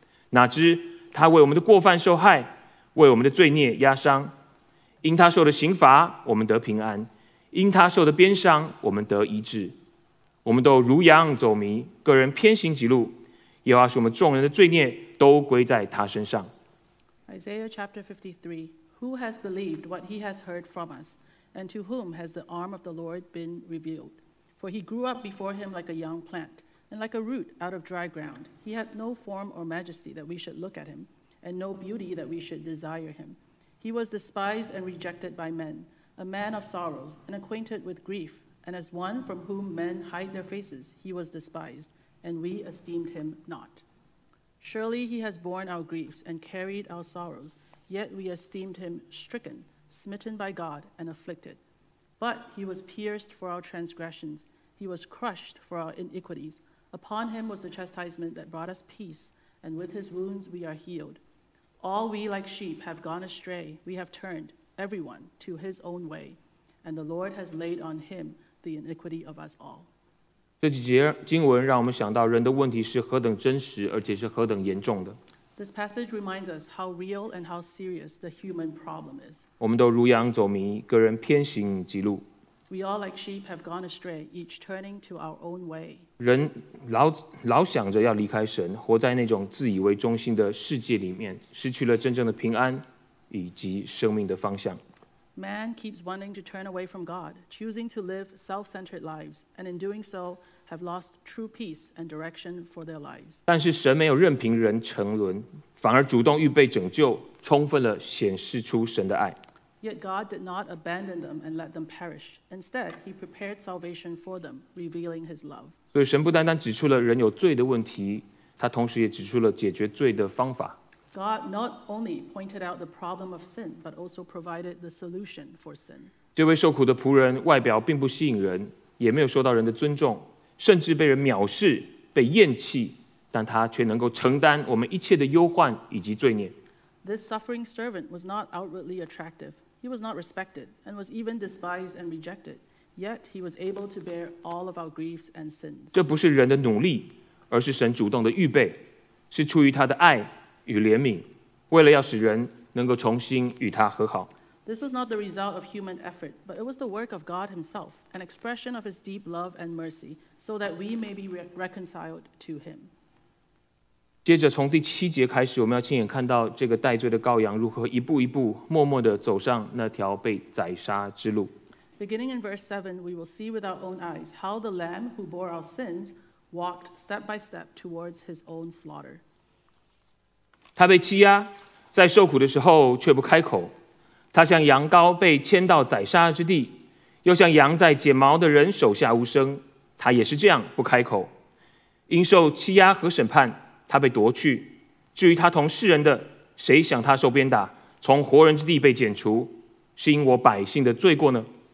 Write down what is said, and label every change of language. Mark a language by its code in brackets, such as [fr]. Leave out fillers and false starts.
[zh] 哪知他为我们的过犯受害，为我们的罪孽压伤。因他受的刑罚，我们得平安；因他受的鞭伤，我们得医治。我们都如羊走迷，个人偏行己路。耶和华使我们众人的罪孽都归在他身上。 [en] Isaiah chapter 53. Who has believed what he has heard from us? And to whom has the arm of the Lord been revealed? For he grew up before him like a young plant, and like a root out of dry ground. He had no form or majesty that we should look at him, and no beauty that we should desire him. He was despised and rejected by men, a man of sorrows, and acquainted with grief, and as one from whom men hide their faces, he was despised, and we esteemed him not. Surely he has borne our griefs and carried our sorrows, yet we esteemed him stricken,smitten by God and afflicted. But he was pierced for our transgressions. He was crushed for our iniquities. Upon him was the chastisement that brought us peace, and with his wounds we are healed. All we like sheep have gone astray. We have turned, everyone, to his own way. And the Lord has laid on him the iniquity of us all. [zh] 这几节经文让我们想到人的问题是何等真实，而且是何等严重的。 [en] This passage reminds us how real and how serious the human problem is. [zh] 我们都如羊走迷，个人偏行己路。 [en] We all like sheep have gone astray, each turning to our own way. [zh] 人老想着要离开神，活在那种自以为中心的世界里面，失去了真正的平安以及生命的方向。 [en] Man keeps wanting to turn away from God, choosing to live self-centered lives, and in doing so,have lost true peace and direction for their lives. [zh] 但是神没有任凭人沉沦，反而主动预备拯救，充分了显示出神的爱。 [en] Yet God did not abandon them and let them perish. Instead, he prepared salvation for them, revealing his love. [zh] 所以神不单单指出了人有罪的问题，他同时也指出了解决罪的方法。 [en] God not only pointed out the problem of sin, but also provided the solution for sin. [zh] 这位受苦的仆人外表并不吸引人，也没有受到人的尊重。甚至被人藐视，被厌弃，但他却能够承担我们一切的忧患以及罪孽。 [en] This suffering servant was not outwardly attractive. He was not respected, and was even despised and rejected. Yet he was able to bear all of our griefs and sins. [zh] 这不是人的努力，而是神主动的预备，是出于他的爱与怜悯，为了要使人能够重新与他和好。 [en] This was not the result of human effort, but it was the work of God himself, an expression of his deep love and mercy, so that we may be reconciled to him. [zh] 接着从第七节开始，我们要亲眼看到这个代罪的羔羊如何一步一步默默地走上那条被宰杀之路。 [en] Beginning in verse 7, we will see with our own eyes how the lamb who bore our sins walked step by step towards his own slaughter. [zh] 他被欺压，在受苦的时候却不开口。他像羊羔被牵到宰杀之地，又像羊在剪毛的人手下无声。他也是这样不开口，因受欺压和审判，他被夺去。至于他同世人的，谁想他受鞭打，从活人之地被剪除，是因我百姓的罪过呢？